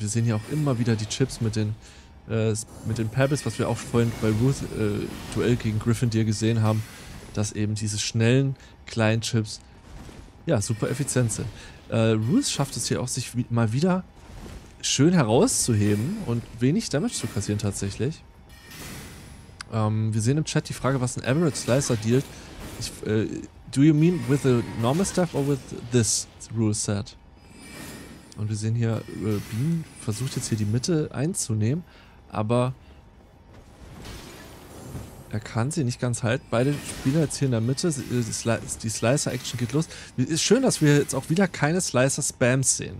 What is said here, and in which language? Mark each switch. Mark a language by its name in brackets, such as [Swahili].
[German] Wir sehen hier auch immer wieder die Chips mit den Pebbles, was wir auch vorhin bei Ruth Duell gegen Gryffindor gesehen haben, dass eben diese schnellen, kleinen Chips ja, super effizient sind. Ruth schafft es hier auch, sich mal wieder schön herauszuheben und wenig Damage zu kassieren tatsächlich. Wir sehen im Chat die Frage, was ein Average Slicer dealt. [English] Do you mean with a normal staff or with this rule set? [German] Und wir sehen hier, Bean versucht jetzt hier die Mitte einzunehmen, aber er kann sie nicht ganz halten. Beide Spieler jetzt hier in der Mitte, die Slicer-Action geht los. Ist schön, dass wir jetzt auch wieder keine Slicer-Spams sehen.